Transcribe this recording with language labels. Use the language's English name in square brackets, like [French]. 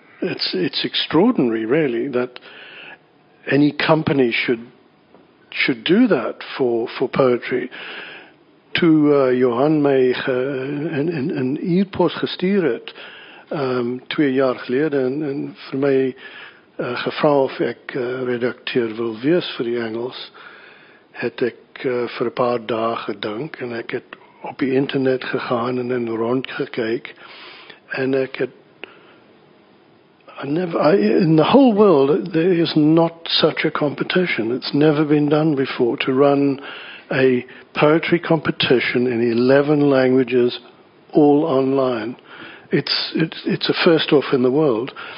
[English] It's extraordinary, really, that any company should do that for poetry. [Afrikaans] To Johan Meijer in e-post gestuur het, 2 jaar gelede, en vir my gevra of ek redakteur wil wees vir die Engels, het ek vir 'n paar dae gedink, en ek het op die internet gegaan en in rond gekyk, en ek het [English] in the whole world there is not such a competition. It's never been done before to run a poetry competition in 11 languages all online. It's a first off in the world.